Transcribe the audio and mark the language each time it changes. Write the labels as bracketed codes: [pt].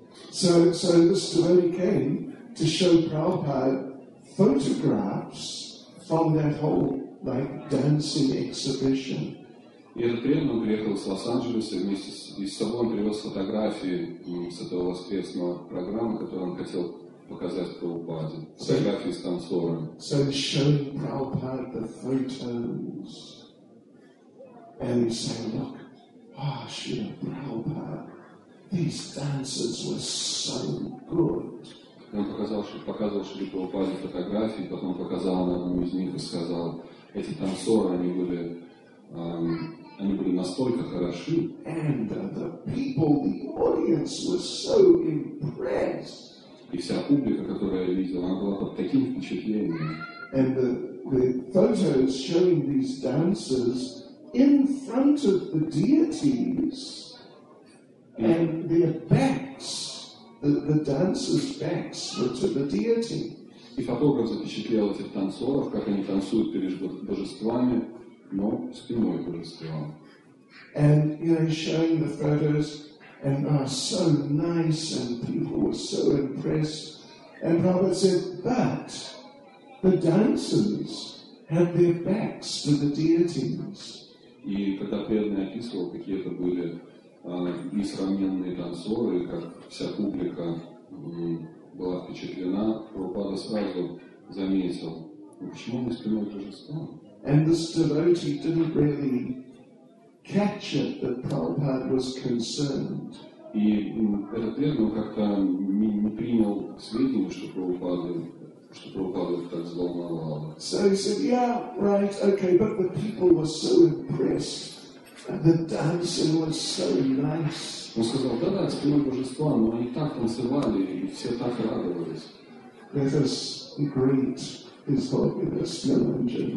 [en] So this devotee came to show Prabhupada photographs from that whole like dancing exhibition. [ru] И этот преданный приехал из Лос-Анджелеса вместе с собой, он привез фотографии с этого воскресного программы, которую он хотел показать Прабхупаде, фотографии с танцорами. [en] So he showed Prabhupada the photos. And he said, look, Srila Prabhupada, these dancers were so good. [ru] Он показал Шри Прабхупаде фотографии, потом показал на одну из них и сказал, эти танцоры, они были настолько хороши. [en] And the people, the audience were so impressed. [ru] И вся публика, которая видела, она была под таким впечатлением. [en] And the photos showing these dancers in front of the deities, and their backs, the dancers' backs were to the deity. [ru] И фотограф запечатлел этих танцоров, как они танцуют перед божествами, но спиной к божествам. [en] And showing the photos. And are so nice, and people were so impressed. And Prabhupada said, but the dancers had their backs to the deities. [ru] И когда преданный описывал, какие это были несравненные танцоры, как вся публика была впечатлена, Прабхупада сразу заметил, почему мы спиной к божествам? [en] And this devotee didn't really catch it that Prabhupada was concerned. [ru] И этот преданный как-то не принял к сведению, что Прабхупада что Прабхупада их так взволновало. [en] So he said, yeah, right, okay, but the people were so impressed. And the dancing was so nice. [ru] Он сказал, да-да, спиной божества, но они так танцевали, и все так радовались. [en] Let us greet his holiness, Nilanjan